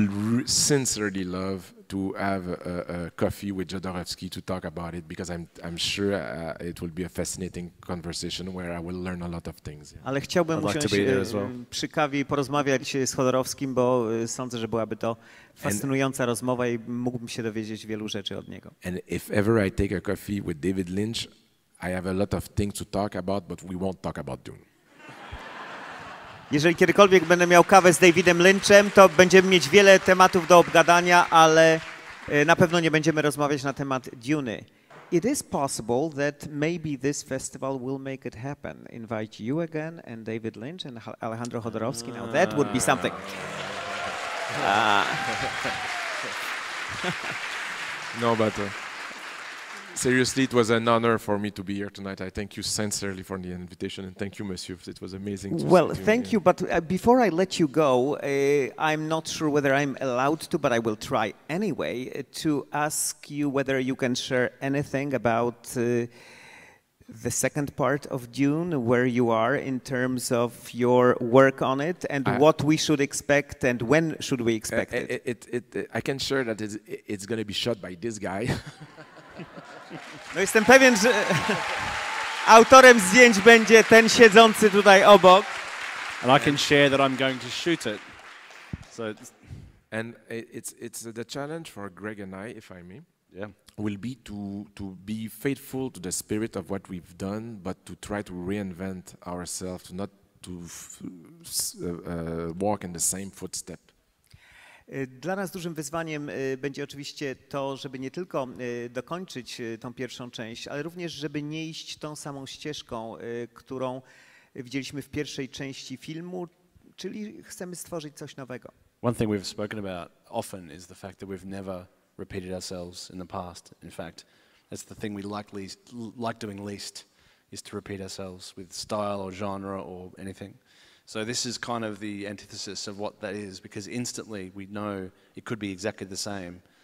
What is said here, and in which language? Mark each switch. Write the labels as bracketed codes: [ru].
[en] I would sincerely love to have a coffee with Jodorowsky to talk about it, because I'm sure it will be a fascinating conversation where I will learn a lot of things. Yeah. [pl] Ale chciałbym przy kawie porozmawiać z Jodorowskim, bo sądzę, że byłaby to fascynująca rozmowa i mógłbym się dowiedzieć wielu rzeczy od niego. [en] And if ever I take a coffee with David Lynch, I have a lot of things to talk about, but we won't talk about Dune. [pl] Jeżeli kiedykolwiek będę miał kawę z Davidem Lynchem, to będziemy mieć wiele tematów do obgadania, ale na pewno nie będziemy rozmawiać na temat Duny. [en] it is possible that maybe this festival will make it happen. Invite you again and David Lynch and Alejandro Jodorowsky. Now that would be something. No, but seriously, it was an honor for me to be here tonight. I thank you sincerely for the invitation, and thank you, Monsieur. It was amazing. Well, thank you. But before I let you go, I'm not sure whether I'm allowed to, but I will try anyway to ask you whether you can share anything about the second part of Dune, where you are in terms of your work on it, and what we should expect, and when should we expect it? I can share that it's going to be shot by this guy. [pl] No, jestem pewien, że autorem zdjęć będzie ten siedzący tutaj obok. [en] And I can share that I'm going to shoot it. So it's The challenge for Greig and I, if I may, yeah, will be to be faithful to the spirit of what we've done, but to try to reinvent ourselves, not to walk in the same footsteps. [pl] Dla nas dużym wyzwaniem będzie oczywiście to, żeby nie tylko dokończyć tą pierwszą część, ale również, żeby nie iść tą samą ścieżką, którą widzieliśmy w pierwszej części filmu, czyli chcemy stworzyć coś nowego. [en] One thing we've spoken about often is the fact that we've never repeated ourselves in the past. In fact, that's the thing we like doing least, is to repeat ourselves with style or genre or anything. So this is kind of the antithesis of what that is, because instantly we know it could be exactly the same.